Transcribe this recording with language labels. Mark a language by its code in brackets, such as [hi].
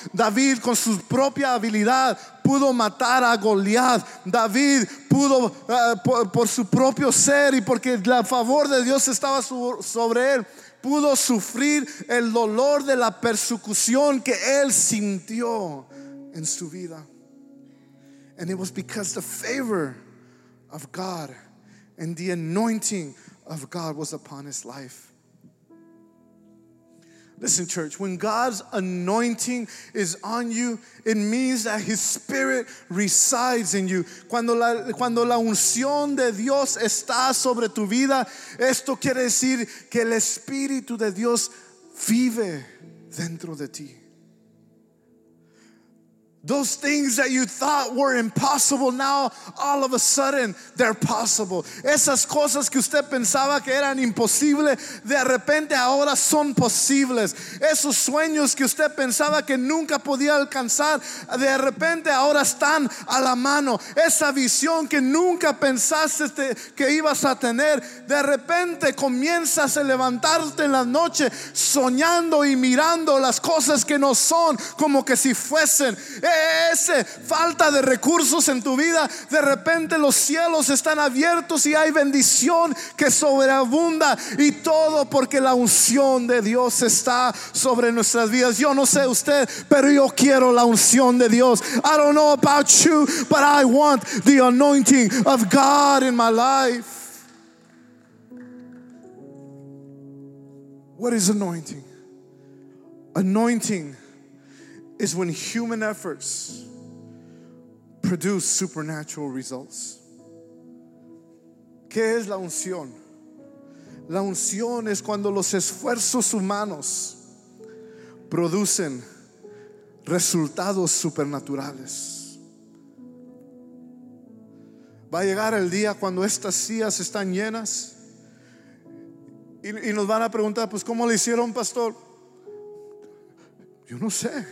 [es] David con su propia habilidad pudo matar a Goliat. David pudo por su propio ser y porque el favor de Dios estaba sobre él, pudo sufrir el dolor de la persecución que él sintió en su vida. [en] And it was because the favor of God and the anointing of God was upon his life. Listen, church, when God's anointing is on you, it means that his spirit resides in you. [es] Cuando la unción de Dios está sobre tu vida, esto quiere decir que el Espíritu de Dios vive dentro de ti. [en] Those things that you thought were impossible, now all of a sudden they're possible. [es] Esas cosas que usted pensaba que eran imposibles, de repente ahora son posibles. Esos sueños que usted pensaba que nunca podía alcanzar, de repente ahora están a la mano. Esa visión que nunca pensaste que ibas a tener, de repente comienzas a levantarte en la noche soñando y mirando las cosas que no son como que si fuesen. Ese falta de recursos en tu vida, de repente los cielos están abiertos y hay bendición que sobreabunda, y todo porque la unción de Dios está sobre nuestras vidas. Yo no sé usted, pero yo quiero la unción de Dios. [en] I don't know about you, but I want the anointing of God in my life. What is anointing? Anointing is when human efforts produce supernatural results. [es] ¿Qué es la unción? La unción es cuando los esfuerzos humanos producen resultados supernaturales. Va a llegar el día cuando estas sillas están llenas y nos van a preguntar, pues, ¿cómo le hicieron, pastor? Yo no sé.